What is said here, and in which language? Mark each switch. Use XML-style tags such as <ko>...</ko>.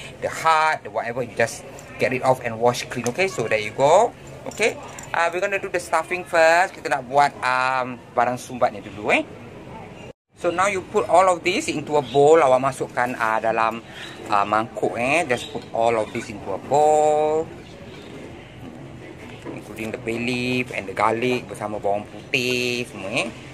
<en>The heart, the whatever, you just get it off and wash clean, okay. So there you go. Okay, we're gonna do the stuffing first.</en> <ms>Kita nak buat barang sumbatnya dulu eh.</ms> <en>So now you put all of this into a bowl.</en> <ms>Awak masukkan dalam mangkuk eh.</ms> <en>Just put all of this into a bowl, including the bay leaf and the garlic</en> <ms>bersama bawang putih semua eh.</ms>